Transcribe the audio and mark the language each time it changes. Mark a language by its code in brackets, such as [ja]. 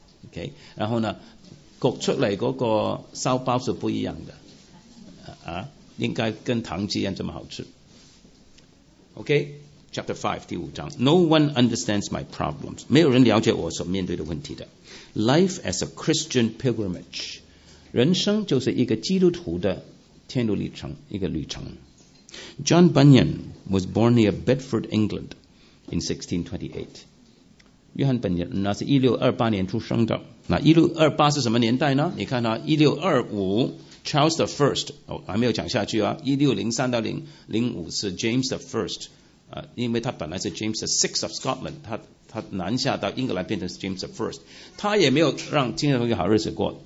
[zh] OK， 然后呢焗出来那个烧包是不一样的应该跟糖鸡一样这么好吃。 [en] OK，Chapter 5, [zh] 第五章 [en] No one understands my problems， [zh] 没有人了解我所面对的问题的。 [en] Life as a Christian pilgrimage， [zh] 人生就是一个基督徒的天路历程，一个旅程。 [en] John Bunyan was born near Bedford, England in 1628. [zh] 约翰·本尼那是1628年出生的。那1628是什么年代呢？你看啊，1625 Charles the First， 哦，还没有讲下去啊。 1603到1605是 James the First， 啊，因为他本来是 James the Sixth of Scotland， 他南下到英格兰变成 James the First， 他也没有让今天同学好日子过。